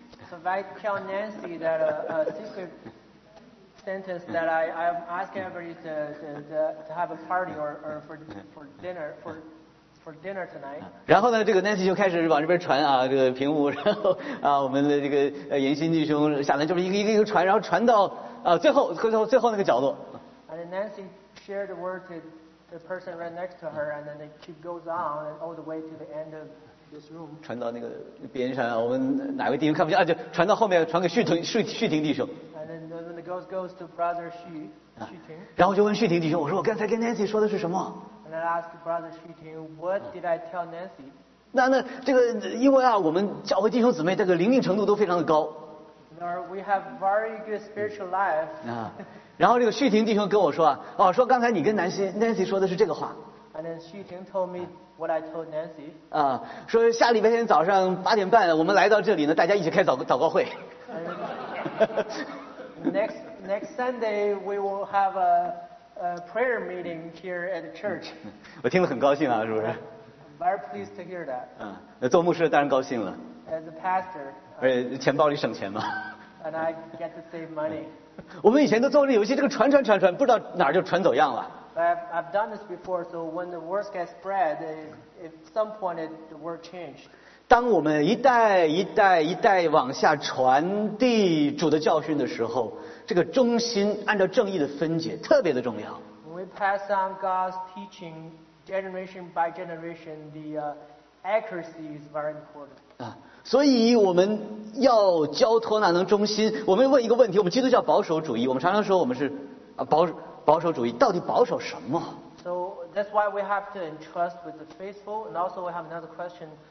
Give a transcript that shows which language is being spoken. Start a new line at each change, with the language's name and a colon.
English: So I tell Nancy that a secret sentence that I'm asking everybody to have a party or for dinner for dinner tonight.
Chinese: 然后呢，这个 Nancy 就开始往这边传啊，这个屏幕，然后啊，我们的这个严新弟兄下来，就是一个传，然后传到最后那个角落。
English: And Nancy shared the word to the person right next to her, and then it keep goes on and all the way to the end of this room.
Chinese: 传到那个边上，我们哪位弟兄看不见啊？就传到后面，传给旭婷弟兄。
English: And then the ghost goes to Brother Xu Ting.
Chinese: 然后就问旭婷弟兄，我说我刚才跟 Nancy 说的是什么？
English: And I asked Brother Xu Ting, what did I tell Nancy?
Chinese: 那这个因为啊，我们教会弟兄姊妹这个灵命程度都非常的高。
English: We have very good spiritual life.
Chinese: 然后这个旭婷弟兄跟我说啊，哦，说刚才你跟Nancy 说的是这个话。
English: And then 旭婷 told me what I told Nancy.
Chinese: 啊，说下礼拜天早上8:30，我们来到这里呢，大家一起开祷告会。
English: Next Sunday we will have a prayer meeting here at the church.
Chinese: 我听得很高兴啊，是不是？
English: I'm very pleased to hear that.
Chinese: 那做牧师当然高兴了。
English: As a pastor.
Chinese: 而且钱包里省钱嘛。
English: And I get to save money.
Chinese: 我们以前都做这游戏，这个传，不知道哪儿就传走样了。
English: I've done this before, so when the word gets spread, at some point the word changed.
Chinese: 当我们一代一代一代往下传递主的教训的时候。这个中心按照正义的分解特别的重要。
English: We pass on God's teaching generation by generation, the accuracy is very important.
Chinese: 所以我们要交托哪能中心？我们问一个问题：我们基督教保守主义，我们常常说我们是保守主义，到底保守什么
English: ？So that's why we have to entrust with the faithful, and also we have another question.